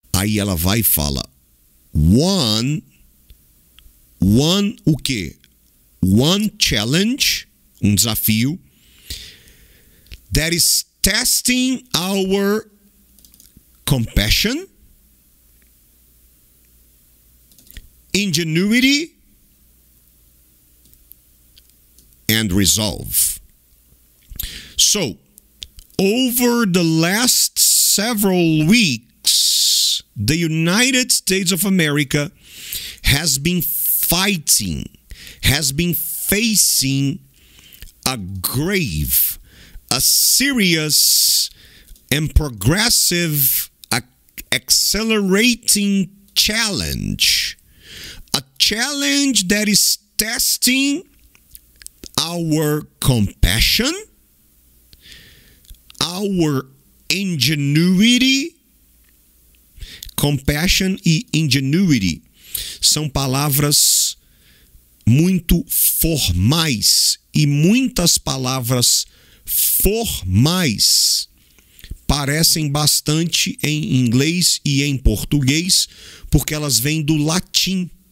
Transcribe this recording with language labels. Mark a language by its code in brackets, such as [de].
[pt] Aí ela vai e fala, one o quê? [en] One challenge, [pt] um desafio, [en] that is testing our compassion, ingenuity, and resolve. So, over the last several weeks, the United States of America has been facing a grave, a serious, and progressive, accelerating challenge. A challenge that is testing our compassion, our ingenuity. [pt] Compassion e ingenuity são palavras muito formais, e muitas palavras formais parecem bastante em inglês e em português, porque elas vêm do latim.